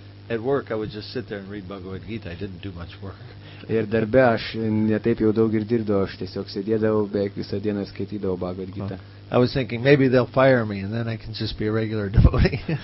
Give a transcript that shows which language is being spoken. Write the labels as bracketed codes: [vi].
[en] At work I would just sit there and read Bhagavad Gita. I didn't do much work. [lt] Ir darbe aš ne taip jau daug ir dirbdavau, aš tiesiog sėdėdavau beveik visą dieną skaitydavau Bhagavad Gita. [en] I was thinking maybe they'll fire me and then I can just be a regular devotee.